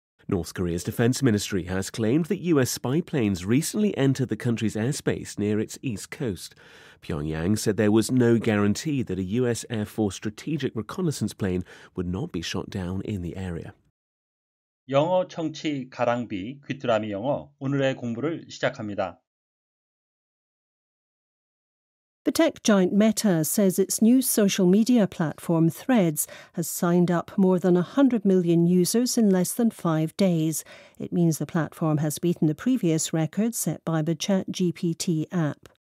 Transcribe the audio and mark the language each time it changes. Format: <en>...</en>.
<en>North Korea's defense ministry has claimed that U.S. spy planes recently entered the country's airspace near its east coast. Pyongyang said there was no guarantee that a U.S. Air Force strategic reconnaissance plane would not be shot down in the area.</en> <ko>영어 청취 가랑비 귀뚜라미 영어 오늘의 공부를 시작합니다.</ko> <en>The tech giant Meta says its new social media platform Threads has signed up more than 100 million users in less than 5 days. It means the platform has beaten the previous record set by the ChatGPT app.</en>